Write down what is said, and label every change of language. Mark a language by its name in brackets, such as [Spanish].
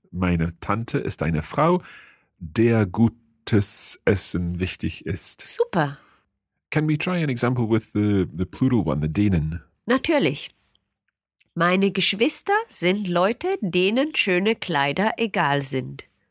[German] Meine Tante ist eine Frau, der gutes Essen wichtig ist. [English] Super. Can we try an example with the plural one, the denen? [German] Natürlich. Meine Geschwister sind Leute, denen schöne Kleider egal sind.